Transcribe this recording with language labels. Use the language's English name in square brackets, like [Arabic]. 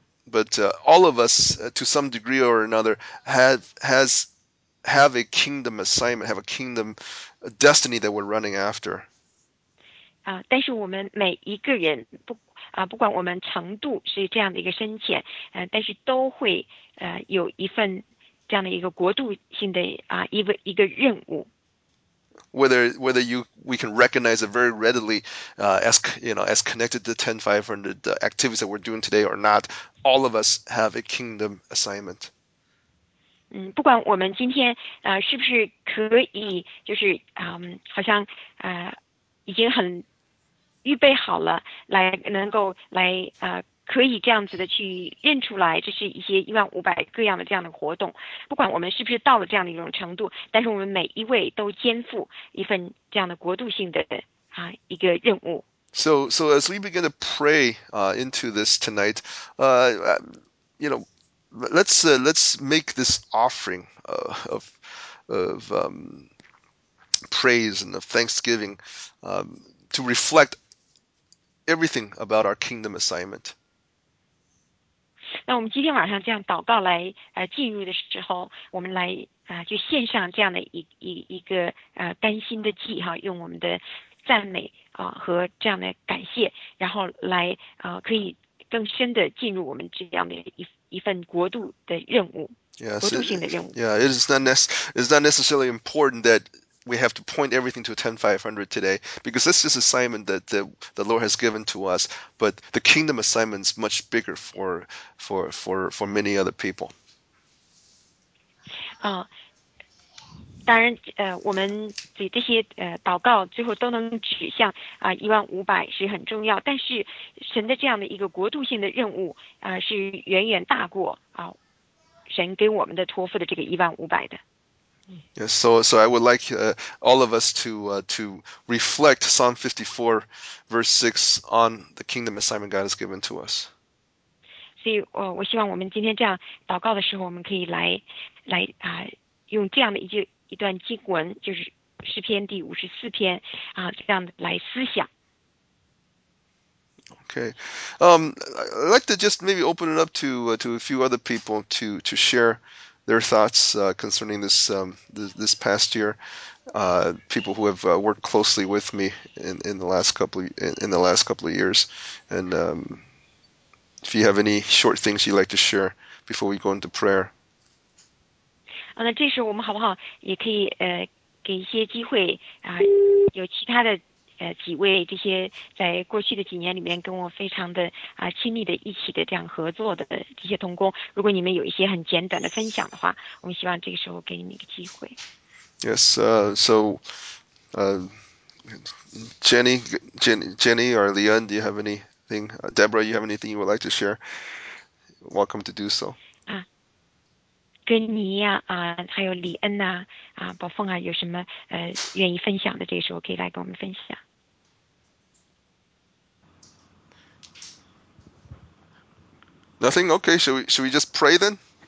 [English] But all of us, to some degree or another, have a kingdom assignment, have a kingdom destiny that we're running after. [Chinese] 但是我们每一个人不管我们程度是这样的一个深浅，但是都会有一份这样的一个国度性的一个任务。 [English] Whether we can recognize it very readily, as connected to 10500, the activities that we're doing today or not, all of us have a kingdom assignment. [Chinese] 不管我们今天是不是可以，就是好像已经很预备好了，来能够来可以这样子的去认出来，这是一些15,000各样的这样的活动。不管我们是不是到了这样的一种程度，但是我们每一位都肩负一份这样的国度性的一个任务。 [English] So as we begin to pray into this tonight, let's make this offering of praise and of thanksgiving to reflect everything about our kingdom assignment. [Chinese] 那我们今天晚上这样祷告来进入的时候，我们来就献上这样的一个甘心的祭用我们的赞美和这样的感谢，然后来可以更深的进入我们这样的一份国度的任务，国度性的任务。 [English] Yeah, it's not necessarily important that we have to point everything to a 10500 today, because this is assignment that the Lord has given to us, but the kingdom assignment is much bigger for many other people. [Chinese] 当然，我们给这些祷告最后都能指向15,000是很重要，但是神的这样的一个国度性的任务是远远大过神给我们的托付的这个15,000的。 [English] Yes, so I would like all of us to reflect Psalm 54, verse 6 on the kingdom assignment God has given to us. [Chinese] 所以，我希望我们今天这样祷告的时候，我们可以来用这样的一段经文，就是诗篇第54篇这样来思想。 [English] Okay, I'd like to just maybe open it up to a few other people to share their thoughts concerning this past year, people who have worked closely with me in the last couple of years, and if you have any short things you'd like to share before we go into prayer. [Chinese] 那这时候我们好不好也可以给一些机会有其他的几位这些在过去的几年里面跟我非常的亲密的一起的这样合作的这些同工，如果你们有一些很简短的分享的话，我们希望这个时候给你们一个机会。 [English] Yes, so Jenny or Leon, do you have anything? Deborah, you have anything you would like to share? Welcome to do so. [Chinese] 跟你呀，还有李恩呐，宝凤啊，有什么愿意分享的？这个时候可以来跟我们分享。 [English] Nothing? Okay, should we just pray then?